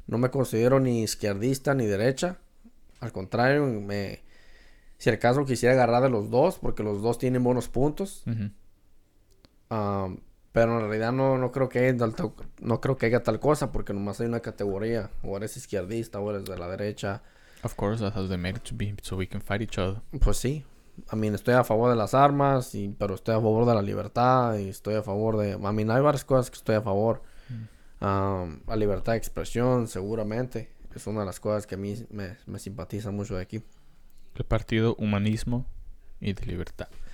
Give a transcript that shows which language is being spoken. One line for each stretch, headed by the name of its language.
Spanish: No me considero ni izquierdista ni derecha. Al contrario, me... Si el caso quisiera agarrar de los dos, porque los dos tienen buenos puntos. Uh-huh. Pero en realidad no creo que haya tal cosa, porque nomás hay una categoría. O eres izquierdista, o eres de la derecha.
English: Of course, that has the merit to be, so we can fight each other.
Spanish: Pues sí.
English: I mean,
Spanish: estoy a favor de las armas, pero estoy a favor de la libertad, y estoy a favor de...
English: I mean,
Spanish: hay varias cosas que estoy a favor. La libertad de expresión, seguramente, es una de las cosas que a mí me simpatiza mucho de aquí. El partido humanismo y de libertad.